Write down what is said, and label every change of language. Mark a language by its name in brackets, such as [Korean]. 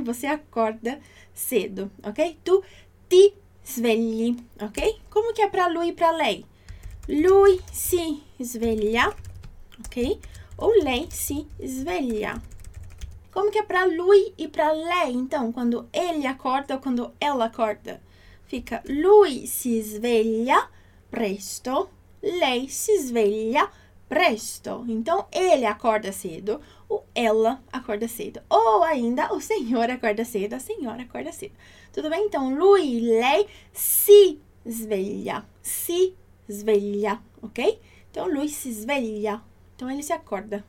[Portuguese] Você acorda cedo, ok? [Italian] Tu ti svegli, [Portuguese] ok? Como que é para lui e para lei? [Italian] Lui si sveglia, [Portuguese] ok? Ou [Italian] lei si sveglia. [Portuguese] Como que é para lui e para lei? Então, quando ele acorda ou quando ela acorda? [Italian] Fica lui si sveglia presto, lei si sveglia presto. [Portuguese] Então, ele acorda cedo ou ela acorda cedo. Ou ainda, o senhor acorda cedo, a senhora acorda cedo. Tudo bem? Então, [Italian] lui, lei si sveglia. Si sveglia, [Portuguese] ok? Então, [Italian] lui si sveglia. [Portuguese] Então, ele se acorda.